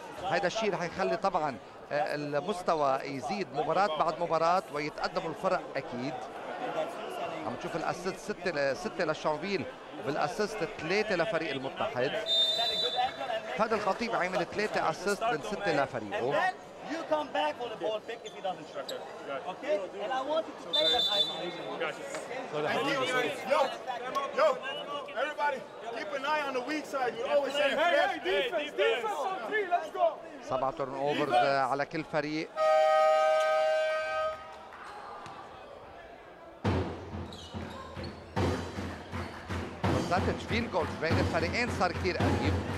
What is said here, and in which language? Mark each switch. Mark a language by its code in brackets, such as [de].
[ar] هذا الشيء رح يخلي طبعا المستوى يزيد مباراة بعد مباراة ويتقدموا الفرق أكيد. عم تشوف الأسيست ستة لشانفيل، بالأسيست ثلاثة لفريق المتحد. فهد الخطيب عامل ثلاثة أسيست من ستة لفريقه. [en] You come back for the ball pick if he doesn't shoot it. Okay? And I want you to play that isolation. Got you. Okay? Yo, everybody, keep an eye on the weak side. We always say, hey, defense on three, let's go. [ar] سبعة تورن اوفر على كل فريق. بس فيل جول بين الفريقين صار كثير قريب.